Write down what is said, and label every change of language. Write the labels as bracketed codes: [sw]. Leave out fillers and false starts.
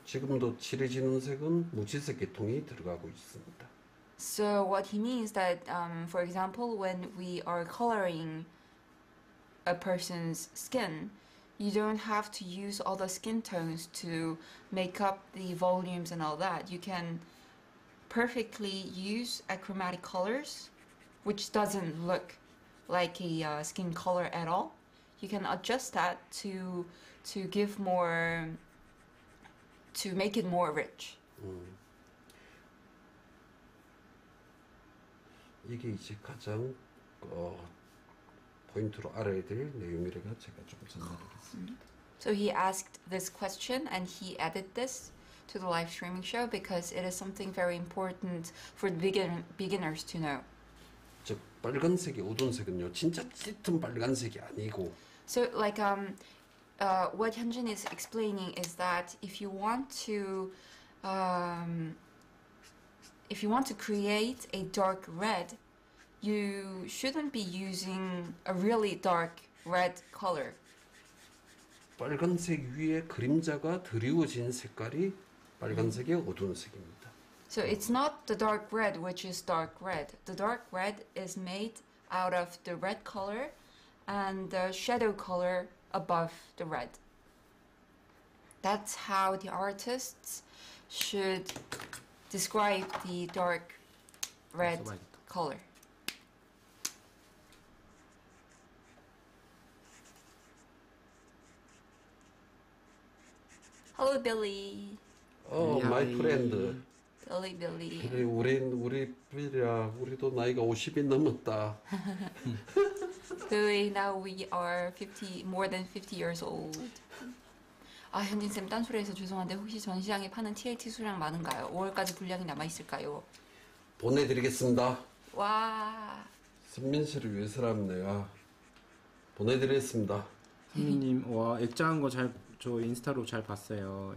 [ko] 지금도 칠해지는 색은 무채색 계통이 들어가고 있습니다. [en] So what he means that for example when we are coloring a person's skin, you don't have to use all the skin tones to make up the volumes and all that. You can perfectly use achromatic colors which doesn't look like a skin color at all. You can adjust that to give more to make it more rich. [ko] 이게 이제 가장 포인트로 알아야 될 내용이라고 제가 좀 전달하겠습니다. [en] So he asked this question and he added this to the live streaming show because it is something very important for beginners to know. [ko] 즉 빨간색이 어두운 색은요. 진짜 짙은 빨간색이 아니고. [en] So like what Hyunjun is explaining is that if you want to create a dark red, you shouldn't be using a really dark red color. [ko] 빨간색 위에 그림자가 드리워진 색깔이 빨간색의 어두운 색입니다. [en] So it's not the dark red which is dark red. The dark red is made out of the red color and the shadow color above the red. That's how the artists should describe the dark red color. 헬로 빌리. 마이 프렌드. [ko] 빌리 빌리. 빌리 우리 빌리야. 우리도 나이가 50이 넘었다. [en] 빌리, now we are 50 more than 50 years old. [ko] 아, 현진 쌤 딴소리해서 죄송한데 혹시 전 시장에 파는 TLT 수량 많은가요? 5월까지 분량이 남아 있을까요? 보내 드리겠습니다. 와. 선민 씨를 위해 사람 내가 보내 드리겠습니다. 선민 님, 와, 액자한 거 잘 저 인스타로 잘 봤어요.